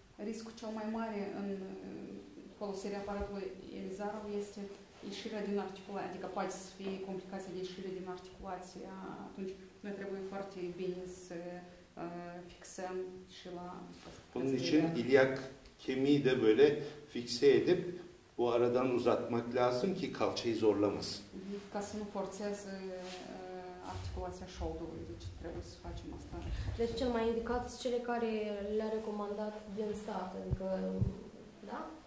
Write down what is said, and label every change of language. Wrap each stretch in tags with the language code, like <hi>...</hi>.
<ro>Riskul cel mai mare în folosirea aparatului Ilizarov este ieșirea din articulație, adică poate să fie complicația de ieșire din articulație. Atunci noi trebuie foarte bine să fixăm și la...</ro> <tr>Bunun için iliac kemiği de böyle fixe edip bu aradan uzatmak lazım ki kalçayı zorlamasın.</tr> <ro>Ca să nu forțeze articulația șoldului, deci trebuie să facem asta. Deci cel mai indicat sunt cele care le-a recomandat din stat, adică, da?</ro>